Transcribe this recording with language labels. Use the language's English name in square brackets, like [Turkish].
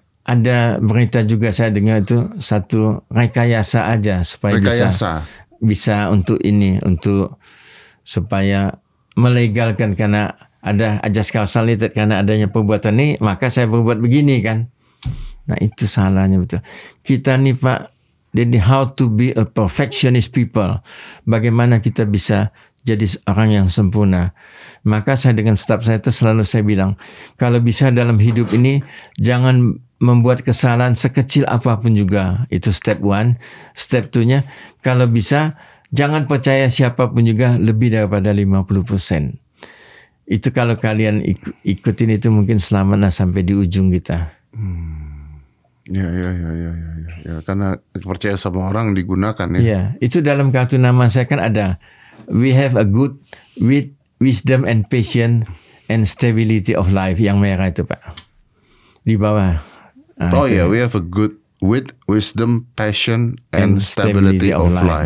[Indonesian] Ada berita juga saya dengar itu satu rekayasa aja supaya bisa untuk ini, untuk supaya melegalkan karena ada ajas causalitet karena adanya perbuatan ini, maka saya berbuat begini kan. Nah itu salahnya betul. Kita nih Pak, jadi [English] how to be a perfectionist people. [Indonesian] Bagaimana kita bisa jadi orang yang sempurna. Maka saya dengan staff saya itu selalu saya bilang, kalau bisa dalam hidup ini, jangan membuat kesalahan sekecil apapun juga. Itu [English] step one. [Indonesian] Step two-nya, kalau bisa, jangan percaya siapapun juga lebih daripada 50%. Itu kalau kalian ikutin itu mungkin selamat lah sampai di ujung kita. Ya. Karena percaya sama orang digunakan ya. Iya, itu dalam kartu nama saya kan ada. [English] We have a good with wisdom and patience and stability of life. [Indonesian] Yang merah itu Pak. Di bawah. [English] We have a good with wisdom, passion, and stability of life.